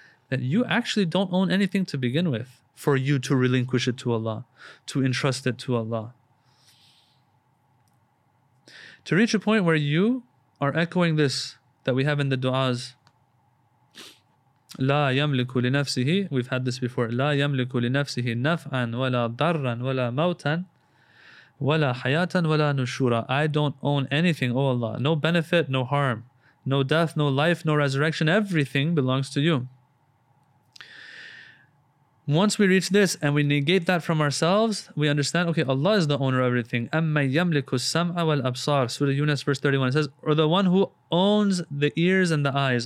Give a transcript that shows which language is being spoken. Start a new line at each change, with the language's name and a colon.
English: That you actually don't own anything to begin with for you to relinquish it to Allah, to entrust it to Allah. To reach a point where you are echoing this that we have in the du'as.
Arabic: لا يملك لنفسه. We've had this before. لا يملك لنفسه نفعا ولا ضرا ولا موتا ولا حياة ولا نشورا.
English: I don't own anything, O Allah. No benefit, no harm. No death, no life, no resurrection. Everything belongs to you. Once we reach this and we negate that from ourselves, we understand, okay, Allah is the owner of everything.
Arabic: أَمَّا يَمْلِكُ السَّمْعَ وَالْأَبْصَارِ
English: Surah Yunus verse 31, it says, or the one who owns the ears and the eyes.